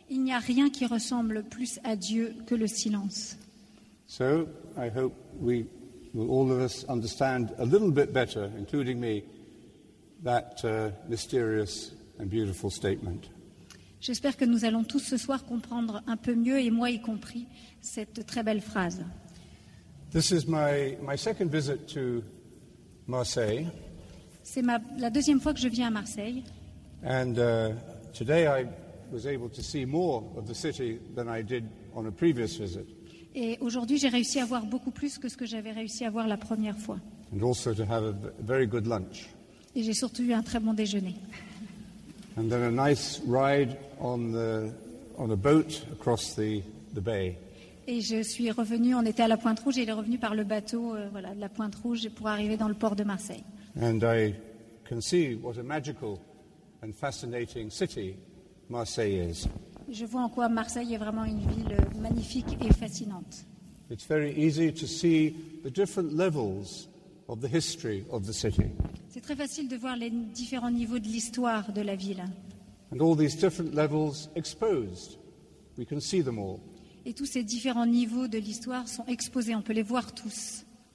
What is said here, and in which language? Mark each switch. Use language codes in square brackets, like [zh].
[fr] Il n'y a rien qui ressemble plus à Dieu que le silence. [en] So I hope we will all of us understand a little bit better, including me, that mysterious and beautiful statement. [fr] J'espère que nous allons tous ce soir comprendre un peu mieux, et moi y compris, cette très belle phrase. [en] This is my second visit to Marseille. [fr] C'est la deuxième fois que je viens à Marseille. [en] And today I was able to see more of the city than I did on a previous visit. [fr] Et aujourd'hui, j'ai réussi à voir beaucoup plus que ce que j'avais réussi à voir la première fois. [en] And also to have a very good lunch. [fr] Et j'ai surtout eu un très bon déjeuner. [en] And then a nice ride on a boat across the bay. [fr] Et je suis revenu, on était à la Pointe Rouge, et il est revenu par le bateau, voilà, de la Pointe Rouge pour arriver dans le port de Marseille. [en] And I can see what a magical and fascinating city Marseille is. [fr] Je vois en quoi Marseille est vraiment une ville magnifique et fascinante. [en] It's very easy to see the different levels of the history of the city. [fr] C'est très facile de voir les différents niveaux de l'histoire de la ville. [en] And all these different levels exposed. We can see them all. [fr] Et tous ces différents niveaux de l'histoire sont exposés, on peut les voir tous.